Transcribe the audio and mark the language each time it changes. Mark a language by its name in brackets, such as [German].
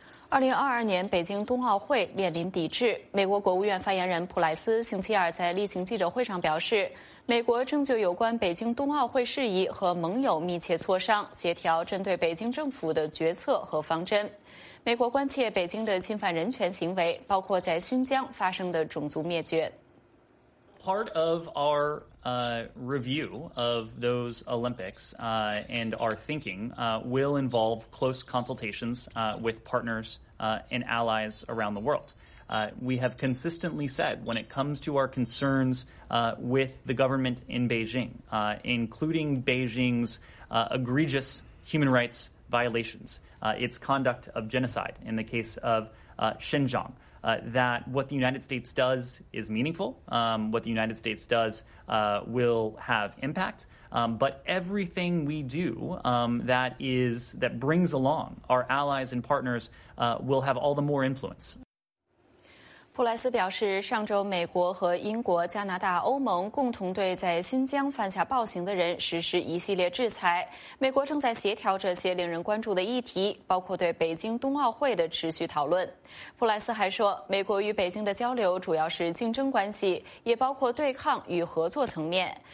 [Chinese] 2022年北京冬奥会面临抵制，美国国务院发言人普莱斯星期二在例行记者会上表示，美国正就有关北京冬奥会事宜和盟友密切磋商，协调针对北京政府的决策和方针。美国关切北京的侵犯人权行为，包括在新疆发生的种族灭绝。 [English] Part of our review of those Olympics and our thinking will involve close consultations with partners and allies around the world. We have consistently said when it comes to our concerns with the government in Beijing, including Beijing's egregious human rights violations, its conduct of genocide in the case of Xinjiang,that what the United States does is meaningful, what the United States does will have impact, but everything we do that brings along our allies and partners will have all the more influence. [Chinese] 普莱斯表示，上周美国和英国、加拿大、欧盟共同对在新疆犯下暴行的人实施一系列制裁。美国正在协调这些令人关注的议题，包括对北京冬奥会的持续讨论。普莱斯还说，美国与北京的交流主要是竞争关系，也包括对抗与合作层面。